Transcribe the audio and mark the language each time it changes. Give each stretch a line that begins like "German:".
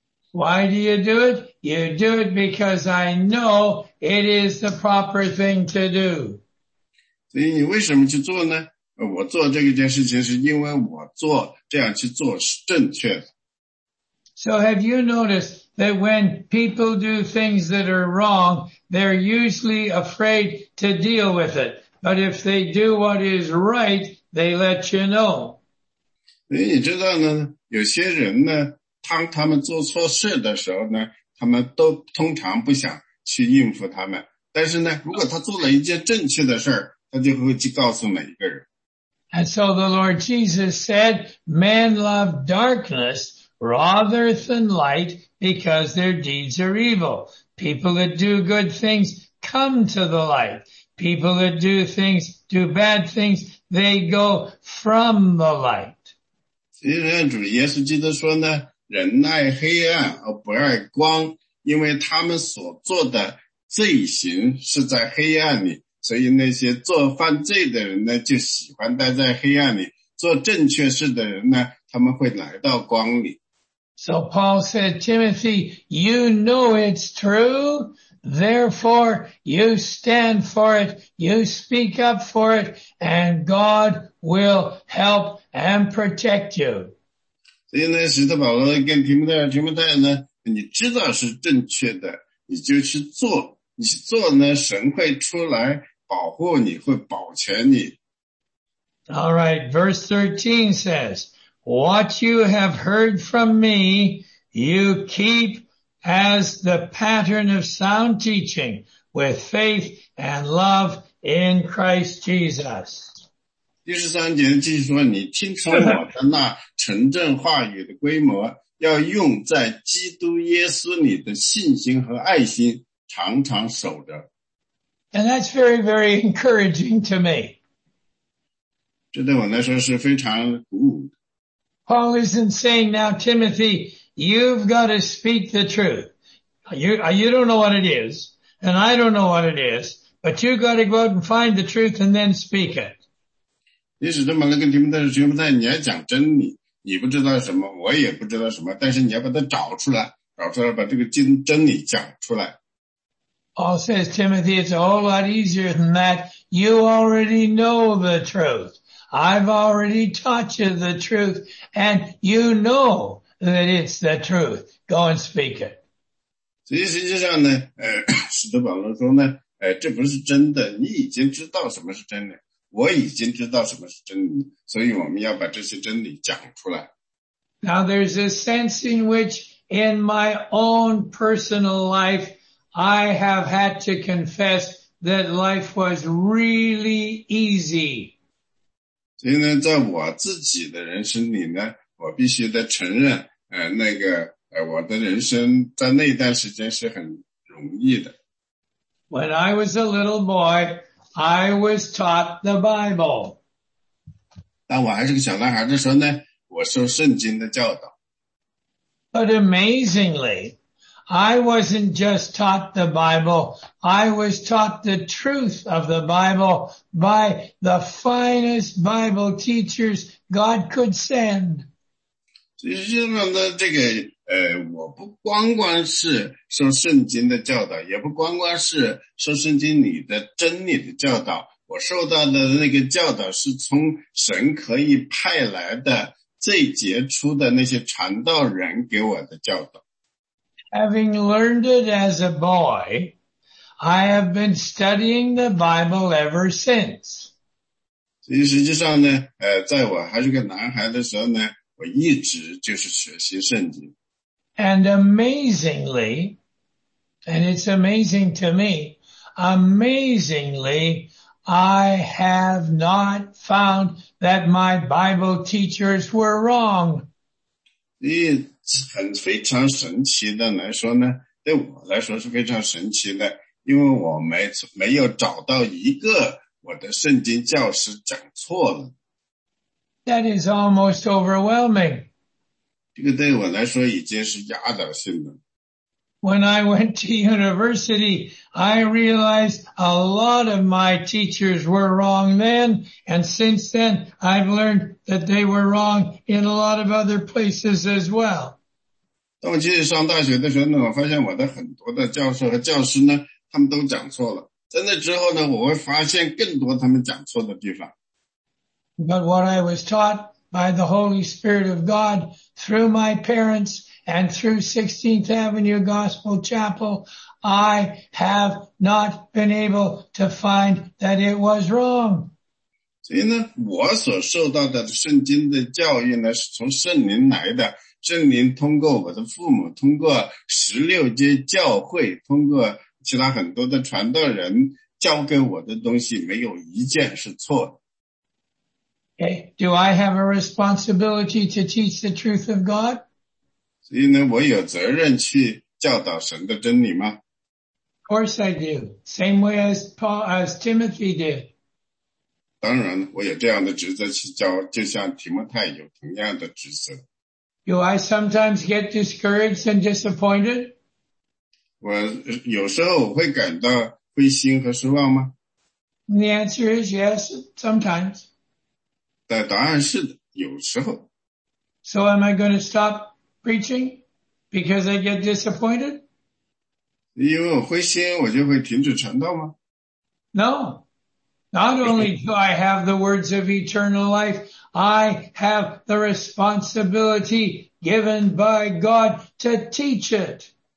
English: Why do you do it? You do it because I know it is the proper thing to do.
Chinese: 所以你为什么去做呢？我做这一件事情是因为我做，这样去做是正确的。
English: So have you noticed that when people do things that are wrong, they're usually afraid to deal with it. But if they do what is right, they let you know.
Chinese: 所以你知道呢，有些人呢，当他们做错事的时候呢，他们都通常不想去应付他们。但是呢，如果他做了一件正确的事，他就会去告诉每一个人。
English: And so the Lord Jesus said, men love darkness rather than light because their deeds are evil. People that do good things come to the light. People that do bad things, they go from the light.
Chinese: 其实主耶稣基督说呢，人爱黑暗而不爱光，因为他们所做的罪行是在黑暗里，所以那些做犯罪的人呢，就喜欢待在黑暗里，做正确事的人呢，他们会来到光里。
English: So Paul said, Timothy, you know it's true, therefore you stand for it, you speak up for it, and God will help and protect you.
Chinese: 所以呢，使徒保罗跟提摩太，提摩太呢，你知道是正确的，你就去做，你去做呢，神会出来保护你，会保全你。
English: All right, verse 13 says,What you have heard from me, you keep as the pattern of sound teaching with faith and love in Christ Jesus.
Chinese: 第十三节继续说，你听从我的那纯正话语的规模，要用在基督耶稣里的信心和爱心，常常守着。
English: And that's very, very encouraging to me.
Chinese: 这对我来说是非常鼓舞的。
English: Paul isn't saying, now, Timothy, you've got to speak the truth. You don't know what it is, and I don't know what it is, but you've got to go out and find the truth and then speak it.
Chinese: 你始终把那个提摩太，提摩太，你要讲真理，你不知道什么，我也不知道什么，但是你要把它找出来，找出来，把这个真理讲出来。
English: Paul says, Timothy, it's a whole lot easier than that. You already know the truth. I've already taught you the truth, and you know that it's the truth. Go and speak it.
Chinese: 所以实际上呢，使徒保罗说呢，这不是真的，你已经知道什么是真理，我已经知道什么是真理，所以我们要把这些真理讲出来。
English: Now there's a sense in which in my own personal life, I have had to confess that life was really easy.
Chinese: 所以呢，在我自己的人生里呢，我必须得承认，我的人生在那段时间是很容易的。
English: When I was a little boy, I was taught the Bible.
Chinese: 当我还是个小男孩的时候呢，我受圣经的教导。
English: But amazingly, I wasn't just taught the Bible, I was taught the truth of the Bible by the finest Bible teachers God could send.
Chinese: 实际上呢，这个我不光光是受圣经的教导，也不光光是受圣经里的真理的教导，我受到的那个教导是从神可以派来的最杰出的那些传道人给我的教导。
English: Having learned it as a boy, I have been studying the Bible ever since.
Chinese: 实际上呢，在我还是个男孩的时候呢，我一直就是学习圣经。
English: And amazingly, and it's amazing to me, amazingly, I have not found that my Bible teachers were wrong.
Chinese: 很非常神奇的来说呢，对我来说是非常神奇的，因为我没有找到一个我的圣经教师讲错了。
English: That is almost overwhelming.
Chinese: 这个对我来说已经是压倒性了。
English: When I went to university, I realized a lot of my teachers were wrong then, and since then, I've learned that they were wrong in a lot of other places as well.
Chinese: 当我继续上大学的时候呢，我发现我的很多的教授和教师呢，他们都讲错了。在那之后呢，我会发现更多他们讲错的地方。
English: But what I was taught by the Holy Spirit of God through my parents and through 16th Avenue Gospel Chapel, I have not been able to find that it was wrong.
Chinese: 所以呢，我所受到的圣经的教育呢，是从圣灵来的。圣灵通过我的父母，通过十六阶教会，通过其他很多的传道人教给我的东西，没有一件是错的。
English: Okay, do I have a responsibility to teach the truth of God?
Chinese: 所以呢，我有责任去教导神的真理吗？
English: Of course I do. Same way as Paul, as Timothy did.
Chinese: 当然，我有这样的职责去教，就像提摩太有同样的职责。
English: Do I sometimes get discouraged and disappointed?
Chinese: 我有时候会感到灰心和失望吗？
English: And the answer is yes, sometimes.
Chinese: 答案是的, 有时候。
English: So am I going to stop preaching because I get disappointed?
Chinese: 因为我灰心，我就会停止传道吗？
English: No. Not only do I have the words of eternal life, I have the responsibility given by God to teach it.